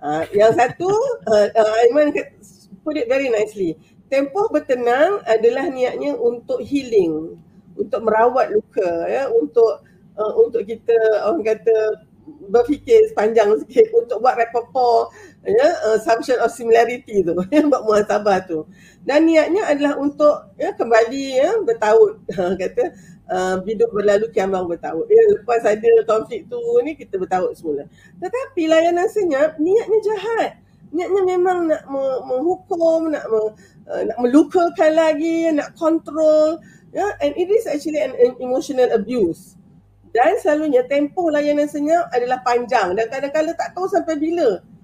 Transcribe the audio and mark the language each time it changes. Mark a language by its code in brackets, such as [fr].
[ms] Yang satu, [en] Aiman put it very nicely. [ms] Tempoh bertenang adalah niatnya untuk healing, untuk merawat luka ya, untuk kita orang kata berfikir sepanjang sikit, untuk buat rapport ya, assumption of similarity tu ya, buat muhasabah tu. Dan niatnya adalah untuk ya, kembali ya, bertaut kata hidup berlalu kiamat bertaut ya, lepas ada konflik tu ni kita bertaut semula. Tetapi layanan senyap niatnya jahat, niatnya memang nak menghukum, nak melukakan lagi, nak kontrol [en] Yeah, and it is actually an emotional abuse. [ms] Dan selalunya tempoh layanan senyap adalah panjang dan kadang-kadang tak tahu sampai bila.